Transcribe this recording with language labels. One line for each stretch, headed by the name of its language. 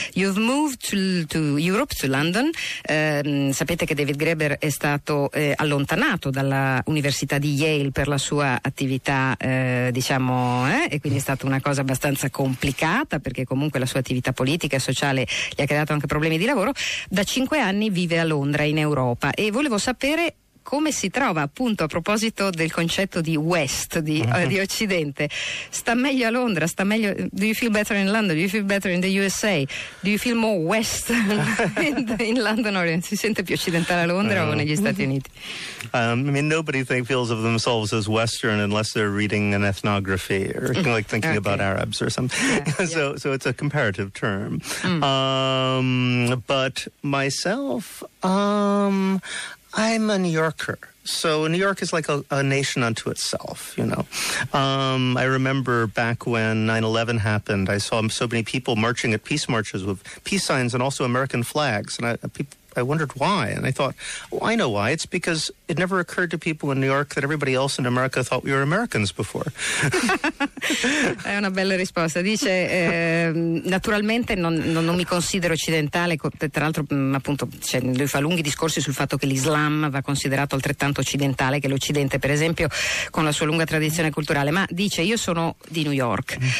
English: You've moved to Europe, to London.
Italian: Sapete che David Graeber è stato allontanato dalla Università di Yale per la sua attività e quindi è stata una cosa abbastanza complicata, perché comunque la sua attività politica e sociale gli ha creato anche problemi di lavoro. Da 5 anni vive a Londra in Europa e volevo sapere come si trova, appunto, a proposito del concetto di West, di Occidente. Sta meglio a Londra? Sta meglio?
English: Do you feel better in London? Do you feel better in the USA? Do you feel more West in London?
Italian: Or si sente più occidentale a Londra o negli Stati Uniti?
English: I mean, nobody feels of themselves as Western unless they're reading an ethnography or like thinking okay. about Arabs or something. Yeah. So it's a comparative term. But myself, I'm a New Yorker, so New York is like a nation unto itself, you know. I remember back when 9/11 happened, I saw so many people marching at peace marches with peace signs and also American flags, and I wondered why, and I thought, well, I know why. It's because it never occurred to people in New York that everybody else in America thought we were Americans before.
Italian: È una bella risposta. Dice, naturalmente non mi considero occidentale, tra l'altro appunto lui fa lunghi discorsi sul fatto che l'Islam va considerato altrettanto occidentale che l'Occidente, per esempio, con la sua lunga tradizione culturale, ma dice, io sono di New York.